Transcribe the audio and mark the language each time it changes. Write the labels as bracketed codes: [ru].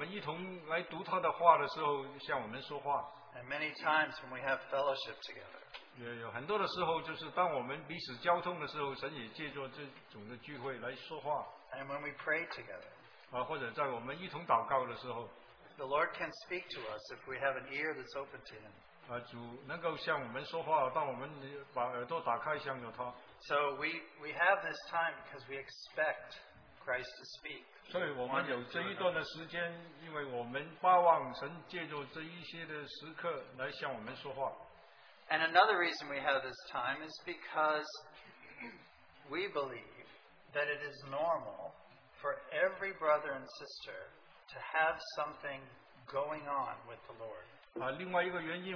[zh] 但是神也借助有的时候我们一同来读他的话的时候向我们说话。 [en] And many times when we have fellowship together. [zh] 有很多的时候就是当我们彼此交通的时候，神也借助这种的聚会来说话。 [en] And when we pray together. [zh] 或者在我们一同祷告的时候。 [en] The Lord can speak to us if we have an ear that's open to Him. [zh] 主能够向我们说话，当我们把耳朵打开，向着他。 [en] So we have this time because we expect Christ to speak. [zh] 所以我们有这一段的时间，因为我们巴望神借助这一些的时刻来向我们说话。 [en] And another reason we have this time is because we believe that it is normal for every brother and sister to have something going on with the Lord.